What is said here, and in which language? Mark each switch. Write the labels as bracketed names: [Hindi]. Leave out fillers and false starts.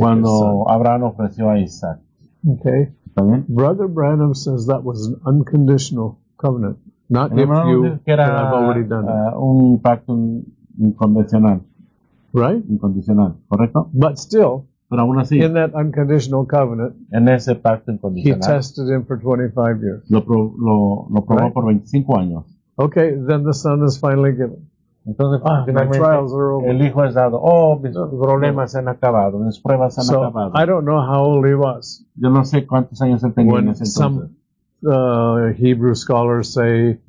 [Spanish] Cuando Abraham ofreció a Isaac. [English] Okay. [Spanish] ¿También? [English] Brother Branham says that was an unconditional covenant. Not [Spanish] El [English] if you, [Spanish] era, [English] but I've already done it. [Spanish] Un pacto incondicional. [English] Right? [Spanish] Incondicional, correcto? [English] But still, [Spanish] pero aún así, [English] in that unconditional covenant, [Spanish] en ese pacto incondicional, [English] he tested him for 25 years. [Spanish] Lo probó right? por 25 años. [English] Okay, then the son is finally given. [Spanish] Entonces, [English] my trials are over. [Spanish] El hijo es dado. Oh, mis problemas se han acabado. Mis pruebas se han acabado. [English] I don't know how old he was. [Spanish] Yo no sé cuántos años él tenía en ese entonces. [English] Some Hebrew scholars say